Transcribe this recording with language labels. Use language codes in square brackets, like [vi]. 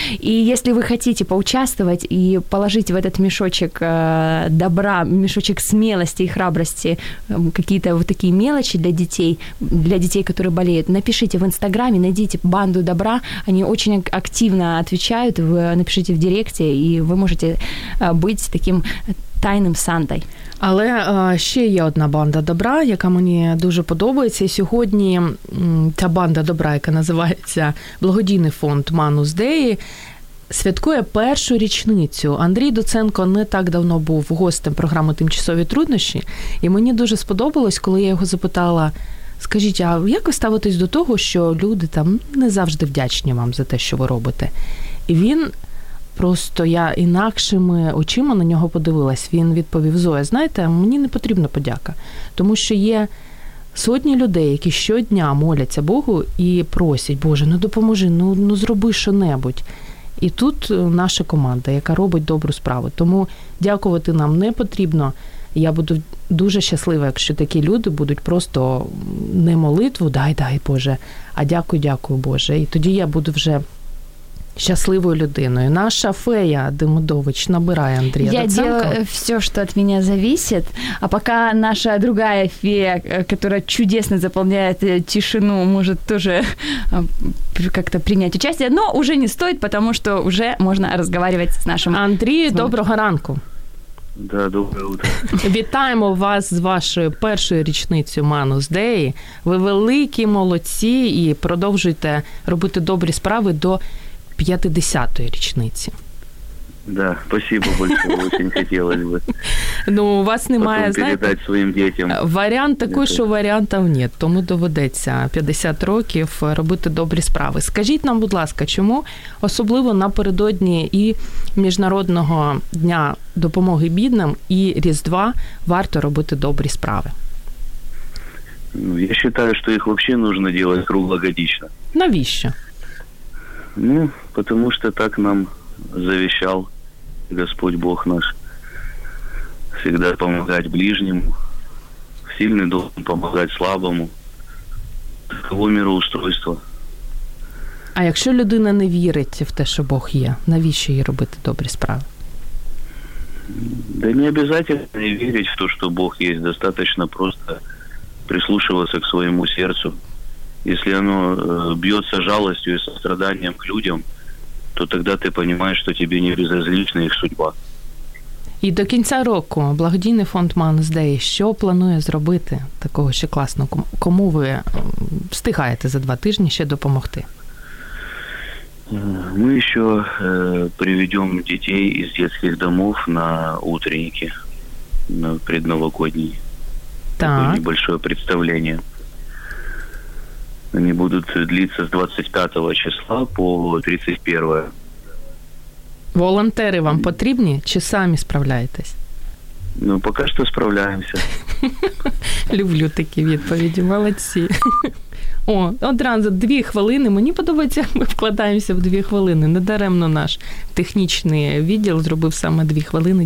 [ru] И если вы хотите поучаствовать и положить в этот мешочек добра, мешочек смелости и храбрости, какие-то вот такие мелочи для детей, которые болеют, напишите в Инстаграме, найдите «Банду добра», они очень активно отвечают, вы напишите в директе, и вы можете быть таким тайным Сантой. [uk] Але ще є одна банда добра, яка мені дуже подобається. І сьогодні ця банда добра, яка називається благодійний фонд «Манус Деї», святкує першу річницю. Андрій Доценко не так давно був гостем програми «Тимчасові труднощі». І мені дуже сподобалось, коли я його запитала: «Скажіть, а як ви ставитесь до того, що люди там не завжди вдячні вам за те, що ви робите?» І він просто, я інакшими очима на нього подивилась. Він відповів: «Зоя, знаєте, мені не потрібна подяка, тому що є сотні людей, які щодня моляться Богу і просять: Боже, ну допоможи, ну зроби що-небудь». І тут наша команда, яка робить добру справу. Тому дякувати нам не потрібно. Я буду дуже щаслива, якщо такі люди будуть просто не молитву «дай-дай, Боже», а «дякую-дякую, Боже». І тоді я буду вже [ru] счастливой [uk] людиной. [ru] Наша фея Демудович, набирай Андрея Доценко. Я делаю все, что от меня зависит. А пока наша другая фея, которая чудесно заполняет тишину, может тоже как-то принять участие. Но уже не стоит, потому что уже можно разговаривать с нашим... [uk] Андрей, доброго ранку. [ru] Да, доброе утро. [uk] Вітаємо вас з вашою першою річницею «Манус Деї». Ви великі молодці і продовжуйте робити добрі справи до 50-ї річниці. [ru] Да, спасибо большое, очень хотелось бы. [uk] Ну, у вас немає, знаєте, своїм дітям. Варіант такий, що варіантів [ru] нет, [uk] тому доведеться 50 років робити добрі справи. Скажіть нам, будь ласка, чому особливо напередодні і Міжнародного дня допомоги бідним, і Різдва варто робити добрі справи? Ну, я вважаю, що їх взагалі потрібно робити [ru] круглогодично. [uk] Навіщо? [ru] Ну, потому что так нам завещал Господь Бог наш, всегда помогать ближнему, сильный должен помогать слабому. Таково мироустройство. [uk] А якщо людина не вірить в те, що Бог є, навіщо їй робити добрі справи? [ru] Да не обязательно не вірить в то, що Бог є, достаточно просто прислушиваться к своєму серцю. Если оно бьется жалостью и состраданием к людям, то тогда ты понимаешь, что тебе не безразлична их судьба. [uk] И до конца року благодійний фонд «Манус Деї» що планує зробити такого ще класного? Кому ви встигаєте за два тижні ще допомогти? [ru] Ми ще приведем дітей із детських домів на утренники, на предновогодні. [uk] Таке [ru] небольшое представление. Они будут длиться с 25 числа по 31. [uk] Волонтери вам потрібні чи самі справляєтесь? Ну, поки що справляємося. Люблю такі відповіді, молодці. О, одразу 2 хвилини. Мені подобається, як ми вкладаємося в 2 хвилини. Недаремно наш технічний відділ зробив саме 2 хвилини.